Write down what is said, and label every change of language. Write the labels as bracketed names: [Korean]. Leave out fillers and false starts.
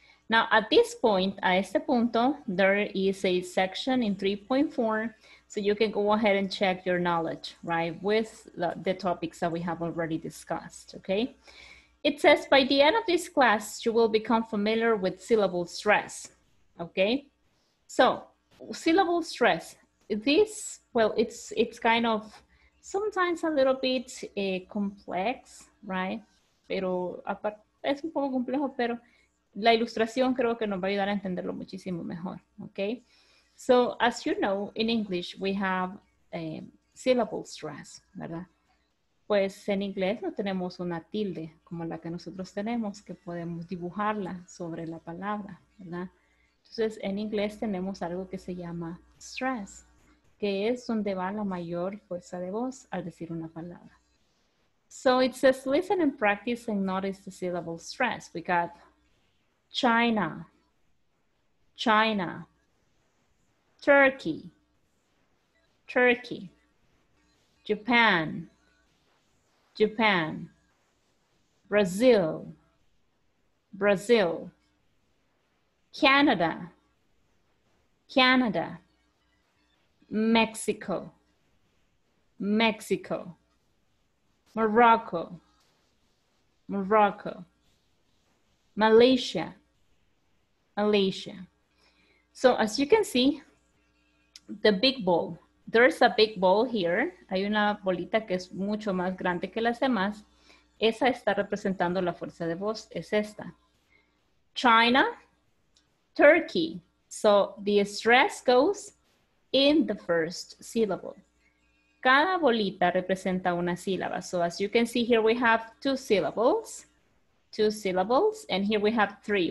[English] Now, at this point, [Spanish] a este punto, [English] there is a section in 3.4, so you can go ahead and check your knowledge, right, with the topics that we have already discussed, okay? It says, by the end of this class, you will become familiar with syllable stress, okay? So, syllable stress. It's kind of sometimes a little bit complex, right? [Spanish] Pero es un poco complejo, pero la ilustración creo que nos va a ayudar a entenderlo muchísimo mejor, okay? [English] So, as you know, in English we have syllable stress, [Spanish] ¿verdad? Pues en inglés no tenemos una tilde como la que nosotros tenemos, que podemos dibujarla sobre la palabra, ¿verdad? Entonces, en inglés tenemos algo que se llama stress, que es donde va la mayor fuerza de voz al decir una palabra. [English] So it says, listen and practice and notice the syllable stress. We got China, China, Turkey, Turkey, Japan, Japan, Brazil, Brazil, Canada, Canada, Mexico, Mexico, Morocco, Morocco, Malaysia, Malaysia. So as you can see, the big ball, there's a big ball here. [Spanish] Hay una bolita que es mucho más grande que las demás. Esa está representando la fuerza de voz, es esta. [English] China, Turkey. So the stress goes in the first syllable. [Spanish] Cada bolita representa una sílaba. [English] So as you can see here, we have two syllables, and here we have three.